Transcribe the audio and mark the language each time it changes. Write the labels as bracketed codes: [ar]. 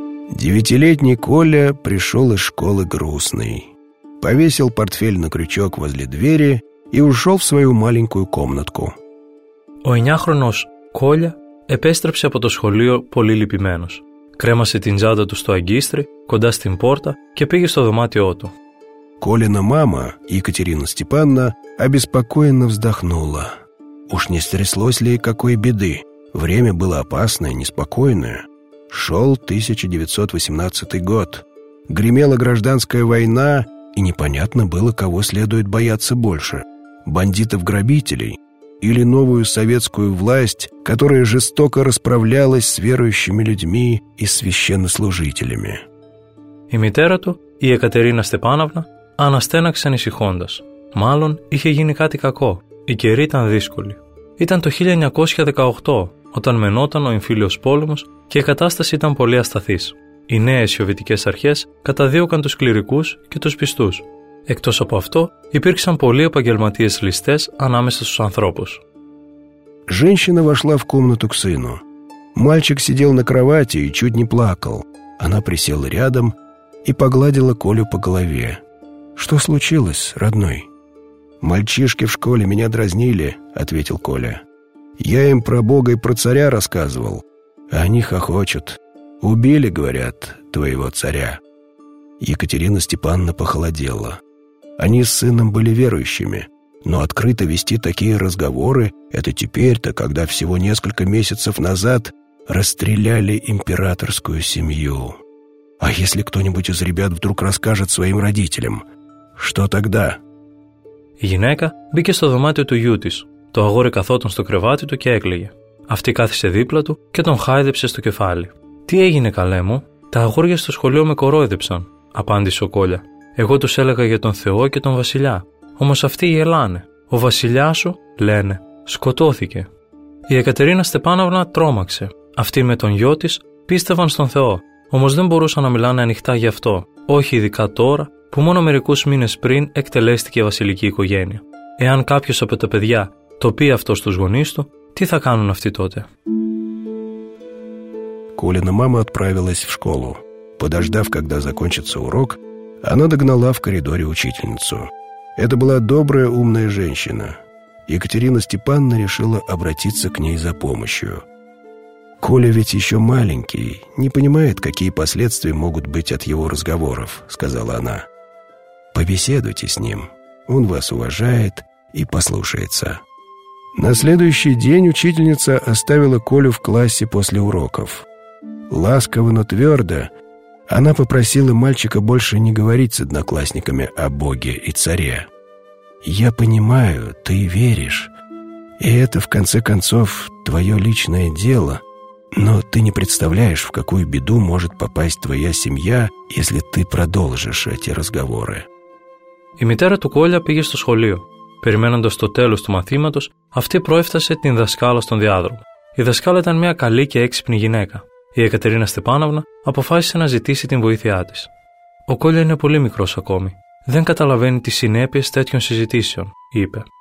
[ru] Девятилетний Коля пришел из школы грустный. Повесил портфель на крючок возле двери и ушел в свою маленькую комнатку. [el] Ο 9χρονος Коля επέστρεψε από το σχολείο πολύ λυπημένος. Κρέμασε την τσάντα του στο αγκίστρι, κοντά στην πόρτα και πήγε στο δωμάτιό του. [ru] Колина мама, Екатерина Степановна, обеспокоенно вздохнула. Уж не стряслось ли какой беды? Время было опасное, неспокойное. Шел 1918 год. Гремела гражданская война, и непонятно было, кого следует бояться больше. Бандитов-грабителей или новую советскую власть, которая жестоко расправлялась с верующими людьми и священнослужителями. [el] И матерь его, и Екатерина Степановна, αναστέναξε ανησυχώντας. Μάλλον είχε γίνει κάτι κακό. Οι καιροί ήταν δύσκολοι. Ήταν το 1918, όταν μενόταν ο εμφύλιος πόλεμος και η κατάσταση ήταν πολύ ασταθής. Οι νέες σοβιετικές αρχές καταδίωκαν τους κληρικούς και τους πιστούς. Εκτός από αυτό, υπήρξαν πολλοί επαγγελματίες ληστές ανάμεσα στους ανθρώπους. [ru] Женщина вошла в комнату к сыну. Мальчик сидел на кровати и чуть не плакал. Она присела рядом и погладила Колю по голове. «Что случилось, родной?» «Мальчишки в школе меня дразнили», — ответил Коля. «Я им про Бога и про царя рассказывал. Они хохочут. Убили, говорят, твоего царя». Екатерина Степановна похолодела. Они с сыном были верующими, но открыто вести такие разговоры — это теперь-то, когда всего несколько месяцев назад расстреляли императорскую семью. «А если кто-нибудь из ребят вдруг расскажет своим родителям?» «Что тогда?» [el] Η γυναίκα μπήκε στο δωμάτιο του γιού της. Το αγόρι καθόταν στο κρεβάτι του και έκλαιγε. Αυτή κάθισε δίπλα του και τον χάιδεψε στο κεφάλι. «Τι έγινε, καλέ μου? Τα αγόρια στο σχολείο με κορόιδεψαν», απάντησε ο Κόλια. «Εγώ τους έλεγα για τον Θεό και τον Βασιλιά. Όμως αυτοί γελάνε. Ο Βασιλιάς σου, λένε, σκοτώθηκε». Η Εκατερίνα Στεπάνοβνα τρόμαξε. Αυτοί με τον γιο της πίστευαν στον Θεό. Όμως δεν μπορούσαν να μιλάνε ανοιχτά γι' αυτό. Όχι ειδικά τώρα, που μόνο μερικούς μήνες πριν εκτελέστηκε η βασιλική οικογένεια. Εάν κάποιος από τα παιδιά το πει αυτό στους γονείς του, τι θα κάνουν αυτοί τότε? [ru] Колина мама отправилась в школу. Подождав, когда закончится урок, она догнала в коридоре учительницу. Это была добрая, умная женщина. Екатерина Степановна решила обратиться к ней за помощью. «Коля ведь еще маленький, не понимает, какие последствия могут быть от его разговоров», — сказала она. «Побеседуйте с ним. Он вас уважает и послушается». На следующий день учительница оставила Колю в классе после уроков. Ласково, но твердо она попросила мальчика больше не говорить с одноклассниками о Боге и царе. «Я понимаю, ты веришь. И это, в конце концов, твое личное дело. Но ты не представляешь, в какую беду может попасть твоя семья, если ты продолжишь эти разговоры». [el] Η μητέρα του Κόλια πήγε στο σχολείο. Περιμένοντας το τέλος του μαθήματος, αυτή προέφτασε την δασκάλα στον διάδρομο. Η δασκάλα ήταν μια καλή και έξυπνη γυναίκα. Η Εκατερίνα Στεπάνοβνα αποφάσισε να ζητήσει την βοήθειά της. «Ο Κόλια είναι πολύ μικρός ακόμη. Δεν καταλαβαίνει τις συνέπειες τέτοιων συζητήσεων», είπε.